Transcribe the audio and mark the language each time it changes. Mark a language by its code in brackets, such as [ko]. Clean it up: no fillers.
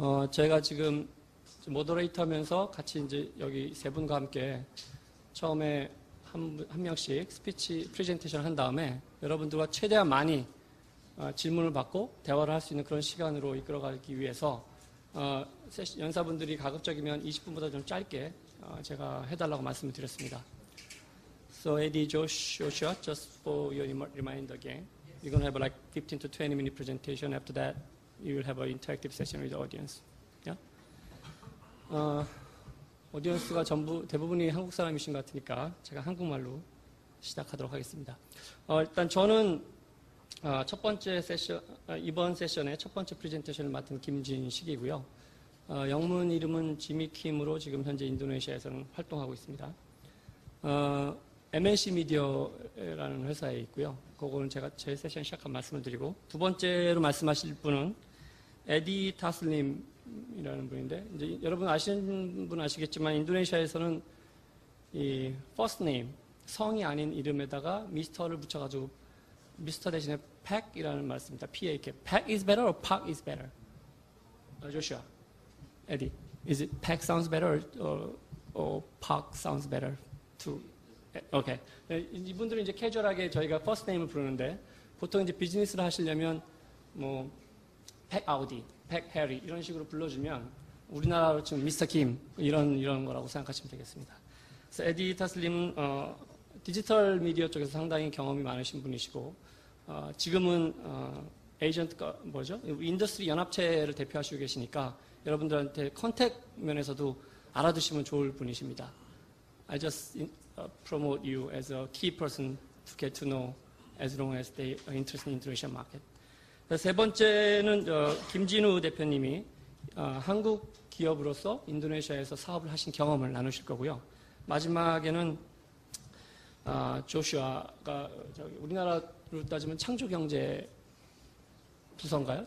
[ko] 제가 지금 모더레이터 하면서 같이 이제 여기 세 분과 함께 처음에 한 명씩 스피치 프레젠테이션을 한 다음에 여러분들과 최대한 많이 질문을 받고 대화를 할수 있는 그런 시간으로 이끌어가기 위해서 연사분들이 가급적이면 20분보다 좀 짧게 제가 해달라고 말씀을 드렸습니다. [en] So, Eddie, Josh, Joshua, just for your reminder again, you're going to have like 15 to 20 minute presentation. After that, you will have an interactive session with the audience. Yeah? [ko] 오디언스가 전부 대부분이 한국 사람이신 것 같으니까 제가 한국말로 시작하도록 하겠습니다. 일단 저는 첫 번째 세션, 이번 세션의 첫 번째 프레젠테이션을 맡은 김진식이고요. 영문 이름은 지미 킴으로 지금 현재 인도네시아에서는 활동하고 있습니다. MNC 미디어라는 회사에 있고요. 그거는 제가 제 세션 시작한 말씀을 드리고 두 번째로 말씀하실 분은 에디 타슬림이라는 분인데 이제 여러분 아시는 분 아시겠지만 인도네시아에서는 이 퍼스트 네임, 성이 아닌 이름에다가 미스터를 붙여가지고 미스터 대신에 팩이라는 말씀입니다. [en] PAK. Pack is better or Park is better? Joshua, Eddie, is it Pack sounds better or Park sounds better to? Okay. [ko] 이분들은 이제 캐주얼하게 저희가 퍼스트 네임을 부르는데 보통 이제 비즈니스를 하시려면 뭐 팩 아우디, 팩 해리 이런 식으로 불러주면 우리나라로 지금 미스터 김 이런 거라고 생각하시면 되겠습니다. 그래서 에디 타슬림은 디지털 미디어 쪽에서 상당히 경험이 많으신 분이시고. 지금은 에이전트 뭐죠? 인더스트리 연합체를 대표하시고 계시니까 여러분들한테 컨택 면에서도 알아두시면 좋을 분이십니다. [en] I just promote you as a key person to get to know as long as they are interested in Indonesian market. [ko] 세 번째는 김진우 대표님이 한국 기업으로서 인도네시아에서 사업을 하신 경험을 나누실 거고요. 마지막에는 조슈아가 저기 우리나라 따지면 창조경제 부서인가요?